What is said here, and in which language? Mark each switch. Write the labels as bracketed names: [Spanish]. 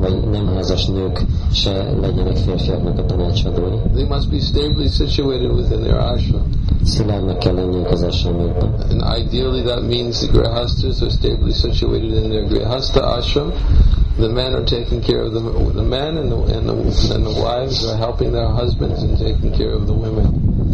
[Hungarian] Nem házas nők se legyenek férfiaknak a tanácsadói. [English] They must be stably situated within their ashram. [Hungarian] Szilárdnak kell lenniük az ashramjukban. [English] And ideally that means the grihasthas are stably situated in their grihastha ashram. The men are taking care of the men and the wives are helping their husbands and taking care of the women.